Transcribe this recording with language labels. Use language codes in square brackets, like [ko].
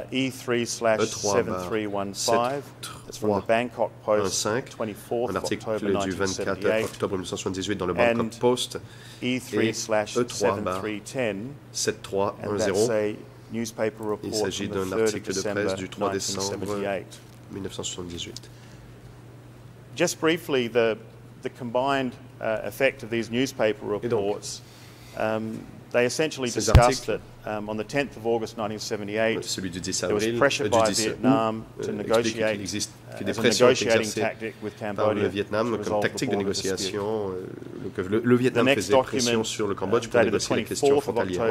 [en] E3/7315, from the Bangkok Post, 24 October 1978 [fr] dans le Bangkok Post, E3/7310, il s'agit d'un article de presse du 3 décembre 1978. [en] Just briefly, the combined effect of these newspaper reports, they essentially discussed that on the 10th of August 1978, there was pressure by Vietnam to negotiate [fr] qui des pressions exercées par le Vietnam comme tactique de négociation, que le Vietnam faisait pression sur le Cambodge pour négocier les questions frontalières.